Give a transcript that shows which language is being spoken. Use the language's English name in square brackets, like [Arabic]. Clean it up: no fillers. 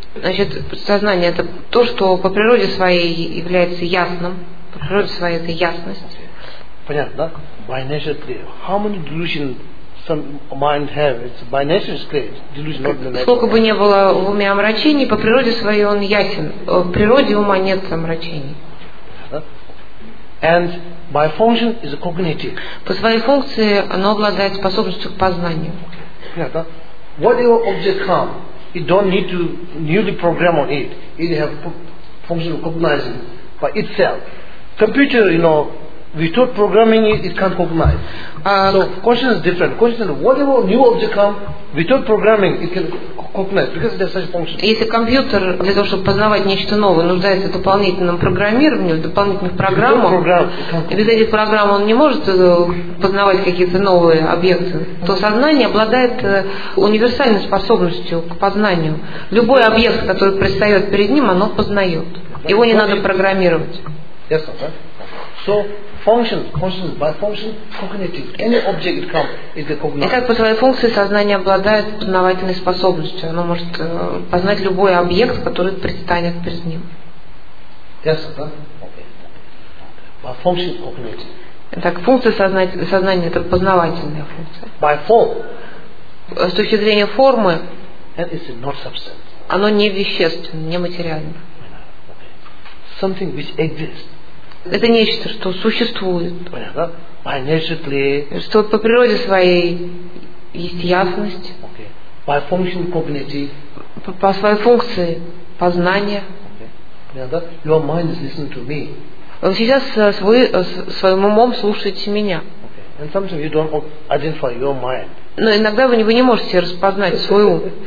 [Russian] Значит, сознание — это то, что по природе своей является ясным. По природе своей это ясность. Понятно, да? [English] By nature clear. How many delusions some mind have? It's by nature clear. Delusion not the nature. [Russian] Сколько бы не было в уме омрачений, по природе своей он ясен. В природе ума нет омрачений. [English] And by function is a cognitive. [Russian] По своей функции оно обладает способностью к познанию. [English] Yeah, whatever object come, it don't need to newly program on it. It have function recognizing by itself. Computer, you know, without programming it, it can't recognize. So question is different. Question is, whatever new object come, without programming, it can recognize because there's such function. [Russian] Если компьютер для того, чтобы познавать нечто новое, нуждается в дополнительном программировании, в дополнительных программах, и без этих программ он не может познавать какие-то новые объекты, то сознание обладает универсальной способностью к познанию. Любой объект, который предстает перед ним, оно познает. Его не надо программировать. [English] Yes, right? So, function, by function, cognitive. Any object comes, it's cognitive. [Russian] Итак, по своей функции сознание обладает познавательной способностью. Оно может познать любой объект, который предстанет перед ним. [English] Yes, right? Okay. By function, cognitive. [Russian] Итак, функция сознания – это познавательная функция. [English] By form. [Russian] С точки зрения формы, [English] that is not substance. [Russian] Оно не вещественно, не материально. [English] Something which exists. [Russian] Это нечто, что существует. Понятно? Что по природе своей есть ясность. [English] Okay. By function cognitive. [Russian] По своей функции познания. Понятно? [English] Your mind is listening to me. [Russian] Сейчас вы своим умом слушаете меня. [English] Okay. And sometimes you don't identify your mind. [Russian] Но иногда вы не можете распознать свой ум.